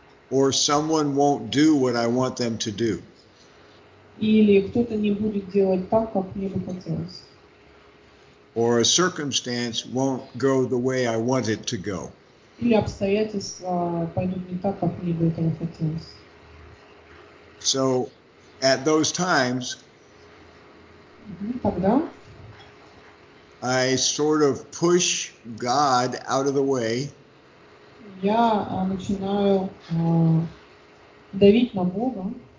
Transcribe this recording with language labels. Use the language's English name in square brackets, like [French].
[English] Or someone won't do what I want them to do. [Russian] Или кто-то не будет делать так, как мне бы хотелось. [English] Or a circumstance won't go the way I want it to go. [Russian] Или обстоятельства пойдут не так, как мне бы этого хотелось. [English] So, at those times, [Russian] тогда [English] I sort of push God out of the way. [Russian] Я начинаю давить на Бога.